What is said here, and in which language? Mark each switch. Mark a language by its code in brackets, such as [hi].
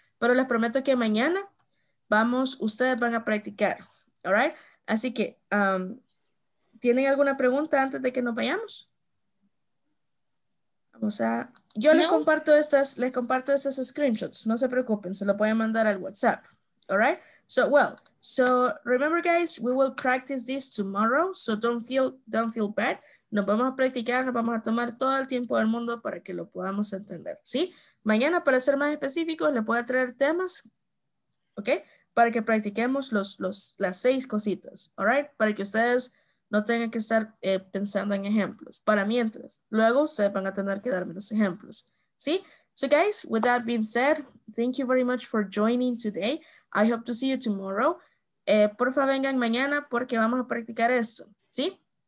[es] pero les prometo que mañana vamos, ustedes van a practicar. [en] All right? [es] Así que, ¿tienen alguna pregunta antes de que nos vayamos? Vamos a, yo no. Les comparto estas screenshots, no se preocupen, se lo pueden mandar al WhatsApp. [en] All right? So, well, so remember guys, we will practice this tomorrow, so don't feel bad. [es] Nos vamos a practicar, nos vamos a tomar todo el tiempo del mundo para que lo podamos entender, ¿sí? Mañana, para ser más específicos, le voy a traer temas, ¿ok? Para que practiquemos las seis cositas, [en] ¿all right? [es] Para que ustedes no tengan que estar pensando en ejemplos. Para mientras, luego ustedes van a tener que darme los ejemplos, ¿sí? [en] So guys, with that being said, thank you very much for joining today. I hope to see you tomorrow. [es] Por favor, vengan mañana porque vamos a practicar esto, ¿sí?